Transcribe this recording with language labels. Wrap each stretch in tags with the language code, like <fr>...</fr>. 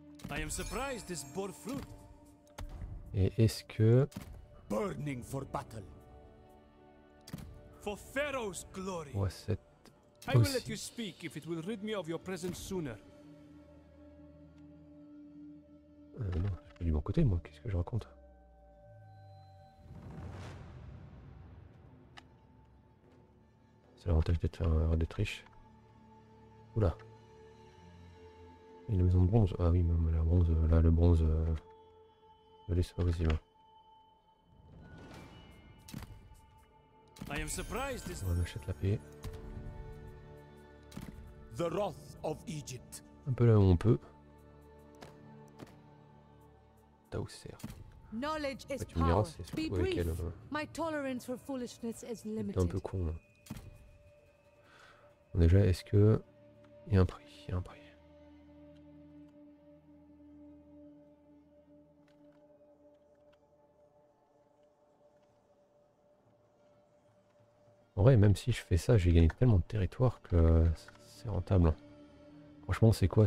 <en>I am surprised this bore fruit.</en> <fr>Et est-ce que...</fr> <en>Burning for battle. For Pharaoh's glory.</en> <fr>Ouais,</fr> <en>I will let you speak if it will rid me of your presence sooner.</en> <fr>Non, je suis pas du bon côté, moi. Qu'est-ce que je raconte? C'est l'avantage d'être riche. Oula. Et la maison de bronze. Ah oui, même la bronze. Là, le bronze. Allez, c'est pas possible. On achète la paix.</fr> <en>The wrath of Egypt.</en> <fr>Un peu là où on peut. Tausser.</fr> <en>Knowledge is power.</en> <fr>Tu me diras, c'est sur...</fr> <en>Be brief.</en> <fr>Ouais, quel...</fr> <en>My tolerance for foolishness is limited.</en> <fr>T'es un peu con. Là. Bon, déjà, est-ce que il y a un prix? Il y a un prix. En vrai, même si je fais ça, j'ai gagné tellement de territoire que c'est rentable. Franchement, c'est quoi?</fr>